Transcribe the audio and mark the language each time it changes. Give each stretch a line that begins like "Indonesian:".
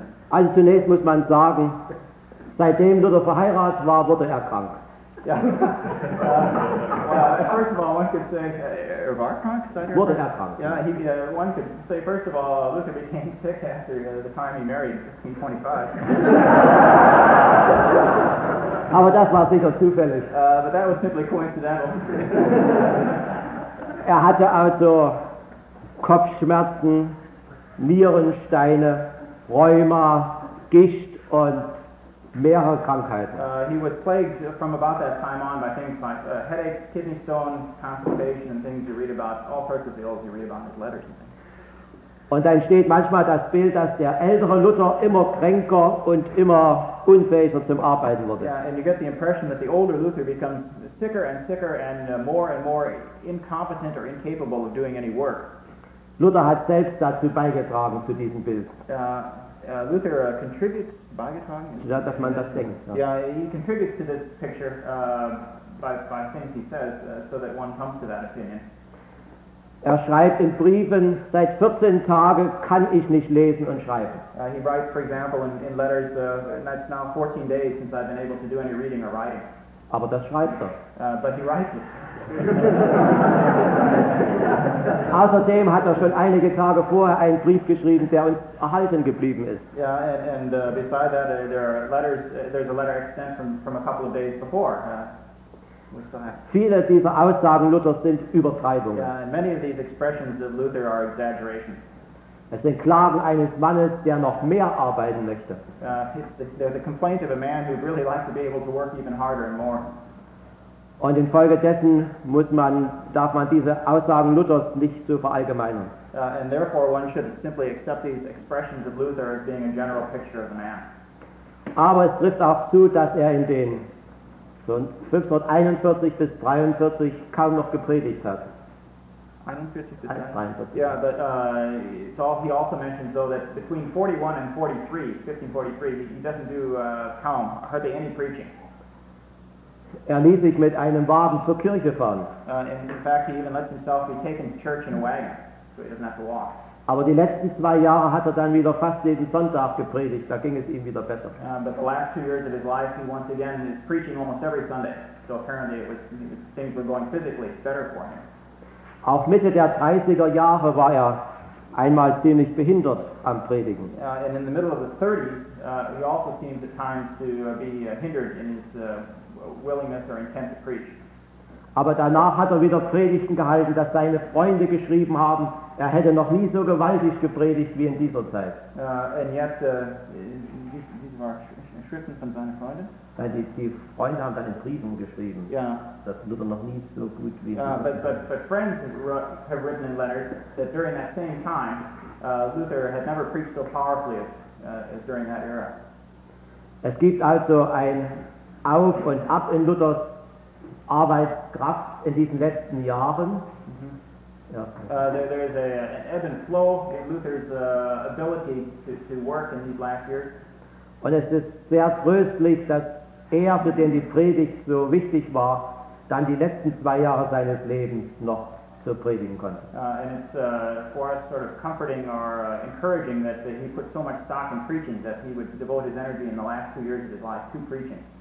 German: Also zunächst muss man sagen, seitdem Luther verheiratet war, wurde er krank.
English: First of all, one could say,
German: er war krank? Wurde er krank?
English: One could say, first of all, Luther became sick after the time he married, 1525.
German: Aber das war sicher zufällig.
English: But that was simply coincidental.
German: Er hatte also Kopfschmerzen, Nierensteine, Rheuma, Gicht und mehrere Krankheiten.
English: He was plagued from about that time on by things like headaches, kidney stones, constipation and things you read about, all sorts of ills you read about in his letters and things.
German: Und dann steht manchmal das Bild, dass der ältere Luther immer kränker und immer unfähiger zum Arbeiten wurde.
English: Yeah, and you get the impression that the older Luther becomes sicker and sicker and more incompetent or incapable of doing any work.
German: Luther hat selbst dazu beigetragen zu diesem Bild.
English: Luther contributes
German: beigetragen. Ja, dass man das denkt. Ja.
English: Yeah, he contributes to this picture by things he says, so that one comes to that opinion.
German: Er schreibt in Briefen: Seit 14 Tagen kann ich nicht lesen und schreiben.
English: He writes, for example, in letters, that's now 14 days since I've been able to do any reading or writing.
German: Aber das schreibt er.
English: But he writes it.
German: Außerdem hat er schon einige Tage vorher einen Brief geschrieben, der uns erhalten geblieben ist.
English: Yeah, and beside that, there are letters. There's a letter extant from a couple of days before.
German: Viele dieser Aussagen Luthers sind Übertreibungen.
English: Yeah, and many of these expressions of Luther are exaggerations.
German: Es sind Klagen eines Mannes, der noch mehr arbeiten möchte.
English: They're the complaint of a man who'd really like to be able to work even harder and more.
German: Und infolgedessen darf man diese Aussagen Luthers nicht so verallgemeinern.
English: And therefore one should simply accept these expressions of Luther as being a general picture of the man.
German: Aber es trifft auch zu, dass er in den 1541 bis 43 kaum noch gepredigt hat.
English: 41 to 10. Yeah, but he also mentions though that between 41 and 43, 1543, he doesn't do
German: kaum,
English: hardly any preaching.
German: Er ließ sich mit einem Wagen zur Kirche fahren.
English: In fact, he even lets himself be taken to church in a wagon, so he doesn't have to walk.
German: Aber die letzten zwei Jahre hat er dann wieder fast jeden Sonntag gepredigt, da ging es ihm wieder besser.
English: But the last 2 years of his life, he once again is preaching almost every Sunday, so apparently things were going physically better for him.
German: Auch Mitte der 30er Jahre war er einmal ziemlich behindert am Predigen.
English: And in the middle of the 30s, he also seemed at times to be hindered in his willingness or intent to preach.
German: Aber danach hat er wieder Predigten gehalten, dass seine Freunde geschrieben haben, er hätte noch nie so gewaltig gepredigt wie in dieser Zeit.
English: And yet, these were
German: Schriften von seinen Freunden. Die Freunde haben dann in Briefen geschrieben, dass Luther noch nie so gut wie.
English: But friends have written in letters that during that same time Luther had never preached so powerfully as during that era.
German: Es gibt also ein Auf und Ab in Luthers Arbeitskraft in diesen letzten Jahren. Mm-hmm. Ja.
English: There is an ebb and flow in Luther's ability to work in these last years.
German: Und es ist sehr tröstlich, dass er, für den die Predigt so wichtig war, dann die letzten zwei Jahre seines Lebens noch zu predigen konnte.
English: And it's for us sort of comforting or encouraging that he put so much stock in preaching that he would devote his energy in the last 2 years of his life to preaching.